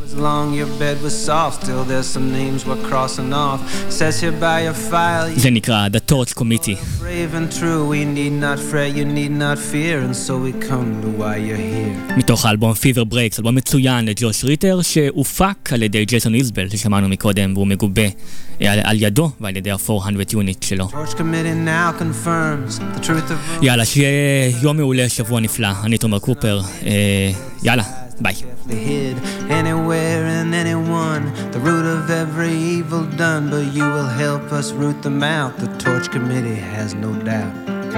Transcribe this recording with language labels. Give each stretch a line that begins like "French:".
English: Long your bed was soft still there some names were crossing off says here by your file
Hebrew: זה נקרא
English: the torch committee brave and true we need not fret you need not fear and so we come to why you're here
Hebrew: מתוך האלבום Fever Breaks, אלבום מצוין לג'וש ריטר שהופק על ידי ג'ייסון איזבל ששמענו מקודם, והוא מגובה על ידו ועל ידי ה-400 unit שלו.
English: torch committee now confirms the truth of all
Hebrew: יאללה, שיהיה יום מעולה, שבוע נפלא. אני תומר קופר, יאללה, bye.
English: Anywhere and anyone the root of every evil done but you will help us root them out the torch committee has no doubt